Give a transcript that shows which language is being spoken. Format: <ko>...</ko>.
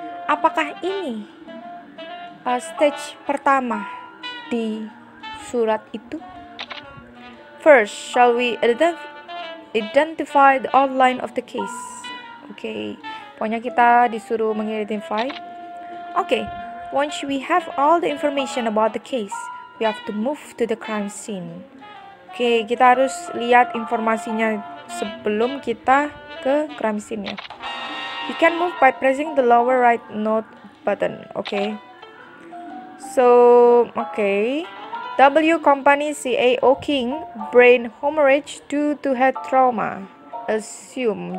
<id>Apakah ini stage pertama di surat itu?</id> <en>First, shall we identify the outline of the case? Okay,</en> <id>pokoknya kita disuruh mengidentify.</id> <en>Okay, once we have all the information about the case, we have to move to the crime scene.</en> <id>Okay, kita harus lihat informasinya sebelum kita ke crime scene-nya.</id> <en>You can move by pressing the lower right note button. Okay. So, okay. W Company CAO King brain hemorrhage due to head trauma. Assume.</en>